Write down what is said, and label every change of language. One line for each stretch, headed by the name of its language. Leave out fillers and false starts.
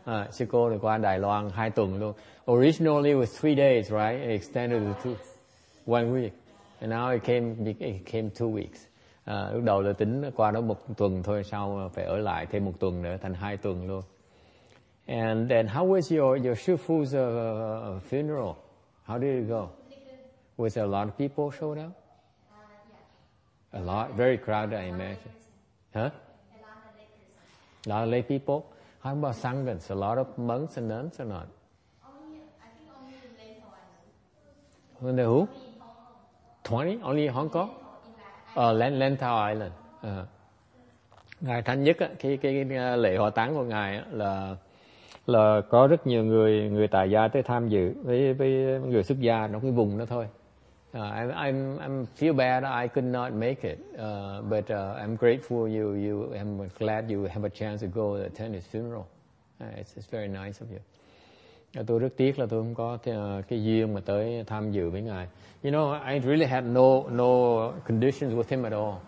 Vietnamese: Sư cô là qua Đài Loan 2 tuần luôn.
English: Originally was 3 days, right? It extended to 1 week, and now it came 2 weeks.
Vietnamese: Lúc đầu là tính qua đó 1 tuần thôi, sau phải ở lại thêm 1 tuần nữa, thành 2 tuần luôn.
English: And then, how was your shifu's funeral? How did it go? Was there a lot of people showed up? Yeah. A lot, very crowded, I imagine. Huh? A lot of lay people. How about sanghans? A lot of monks and nuns or not? Only, I think only the who? 20? Only Hong Kong? Lantau Island.
Vietnamese: Ngài thanh nhất, cái lễ hòa táng của Ngài là có rất nhiều người tài gia tới tham dự với người xuất gia trong cái vùng đó thôi.
English: I'm feel bad I could not make it, but I'm grateful you, I'm glad you have a chance to go to attend his funeral. It's very nice of you.
Vietnamese: Tôi rất tiếc là tôi không có cái duyên mà tới tham dự với Ngài.
English: You know, I really had no conditions with him at all.